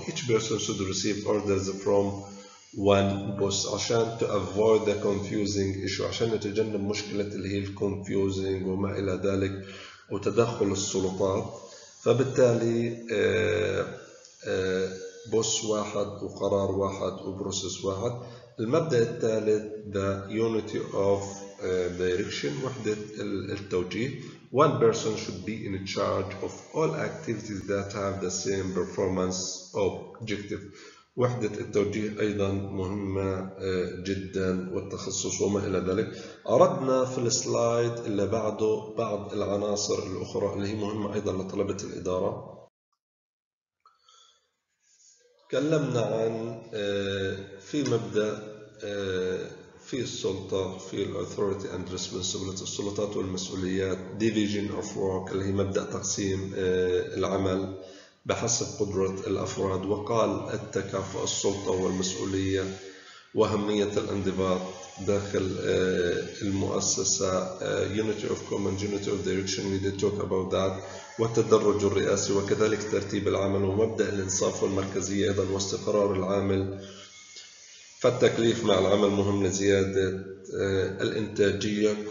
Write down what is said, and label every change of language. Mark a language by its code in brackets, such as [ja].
[en] Each person should receive orders from one boss، عشان to avoid the confusing issue، [ar] عشان نتجنب مشكلة اللي هي [en] confusing [ar] وما إلى ذلك وتدخل السلطات. فبالتالي بوس واحد وقرار واحد وبروسس واحد. المبدأ الثالث [en] the unity of direction، [ar] وحدة التوجيه. [en] One person should be in charge of all activities that have the same performance objective. [ar] وحدة التوجيه أيضا مهمة جدا، والتخصص وما إلى ذلك. أردنا في السلايد اللي بعده بعض العناصر الأخرى اللي هي مهمة أيضا لطلبة الإدارة. تكلمنا عن في مبدأ في السلطة، في [en] authority and responsibility، [ar] السلطات والمسؤوليات. [en] division of work [ar] اللي هي مبدأ تقسيم العمل بحسب قدرة الأفراد. وقال التكافؤ، السلطة والمسؤولية وأهمية الانضباط داخل المؤسسة. [en] unity of command, unity of direction, we did talk about that. [ar] والتدرج الرئاسي وكذلك ترتيب العمل، ومبدأ الإنصاف والمركزية أيضا، واستقرار العامل. فالتكليف مع العمل مهم لزيادة الإنتاجية.